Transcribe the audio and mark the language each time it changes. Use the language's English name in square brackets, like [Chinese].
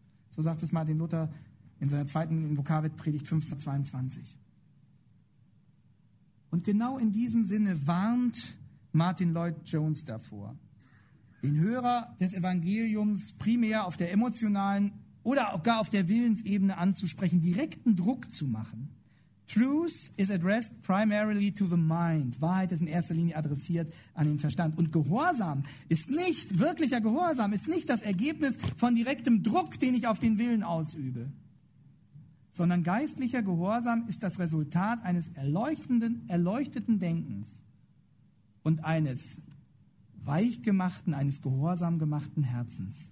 [German] So sagt es Martin Luther in seiner zweiten Invokavit-Predigt 1522. Und genau in diesem Sinne warnt Martin Lloyd-Jones davor, den Hörer des Evangeliums primär auf der emotionalen oder gar auf der Willensebene anzusprechen, direkten Druck zu machen. [English] Truth is addressed primarily to the mind. [German] Wahrheit ist in erster Linie adressiert an den Verstand. Und Gehorsam ist nicht, wirklicher Gehorsam, ist nicht das Ergebnis von direktem Druck, den ich auf den Willen ausübe. Sondern geistlicher Gehorsam ist das Resultat eines erleuchteten Denkens und eines weichgemachten, eines gehorsam gemachten Herzens.